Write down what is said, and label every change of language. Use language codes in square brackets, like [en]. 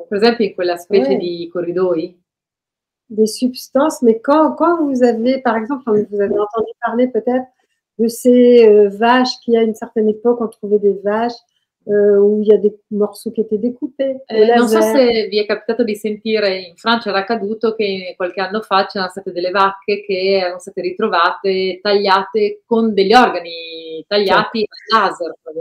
[fr] Par exemple, [it] in quella specie di corridoi. [fr] Des substances, mais quand vous avez, par exemple, vous avez entendu parler peut-être de ces vaches qui, à une certaine époque, on trouvait des vaches où il y a des morceaux qui étaient découpés. [it] Non so se vi è capitato di sentire, in Francia era accaduto che qualche anno fa c'erano state delle vacche che erano state ritrovate tagliate con degli organi tagliati a laser.